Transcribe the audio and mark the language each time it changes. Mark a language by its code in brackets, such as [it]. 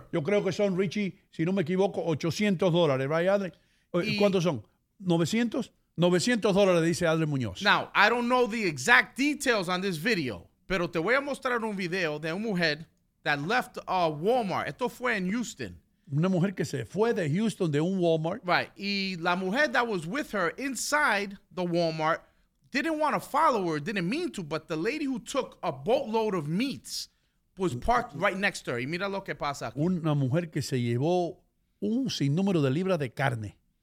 [es] Que, yo creo que son, Richie, si no me equivoco, $800, right, Adler? Y, ¿cuántos son? ¿900? $900, dice Adler Muñoz. [en] Now, I don't know the exact details on this video, [es] pero te voy a mostrar un video de una mujer [en] that left a Walmart. [es] Esto fue en Houston. Una mujer que se fue de Houston de un Walmart. [en] Right. [es] Y la mujer [en] that was with her inside the Walmart didn't want to follow her, didn't mean to, but the lady who took a boatload of meats was parked right next to her. [es] Y mira lo que pasa aquí. Una mujer que se llevó un sinnúmero de libras de carne.